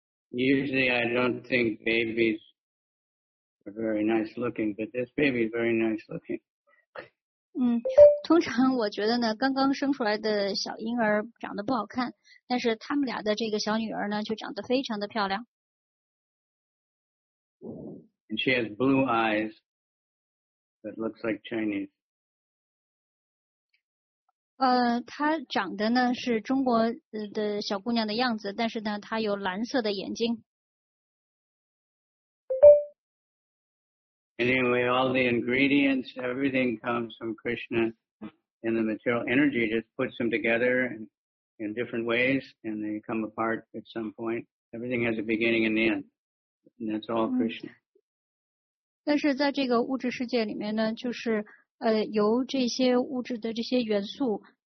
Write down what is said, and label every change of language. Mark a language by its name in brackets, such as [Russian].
[English] Usually I don't think babies are very nice looking, but this baby is very nice looking. [Chinese] 通常我觉得呢，刚刚生出来的小婴儿长得不好看，但是他们俩的这个小女儿呢，就长得非常的漂亮。 [English] And she has blue eyes that looks like Chinese. [Chinese] 她长得呢是中国的小姑娘的样子，但是呢，她有蓝色的眼睛。Anyway, [English] all the ingredients, everything comes from Krishna, and the material energy just puts them together in different ways, and they come apart at some point. Everything has a beginning and end, and that's all Krishna. [Chinese] 但是在这个物质世界里面呢，就是由这些物质的这些元素。